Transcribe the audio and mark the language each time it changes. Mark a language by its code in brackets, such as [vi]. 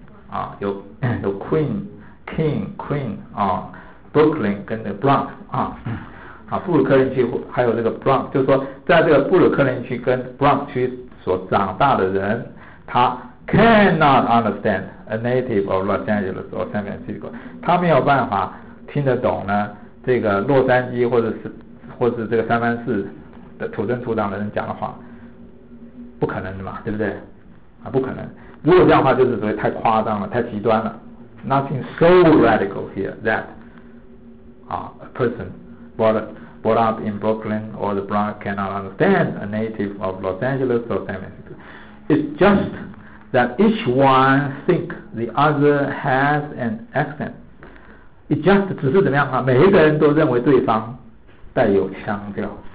[zh] 啊、有 Queen 啊 ，Brooklyn 跟那 Bronx 啊，啊布鲁克林区还有这个 Bronx， 就是说在这个布鲁克林区跟 Bronx 区所长大的人，他 [en] cannot understand a native of Los Angeles or San Francisco， [zh] 他没有办法听得懂呢这个洛杉矶或者是这个三藩市的土生土长的人讲的话，不可能的嘛，对不对？啊，不可能。如果这样的话，就是所谓太夸张了，太极端了。 [en] Nothing so radical here that a person brought up in Brooklyn or the Bronx cannot understand a native of Los Angeles or San Francisco. It's just that each one think the other has an accent. [zh] It just 只是怎么样啊？每一个人都认为对方带有腔调。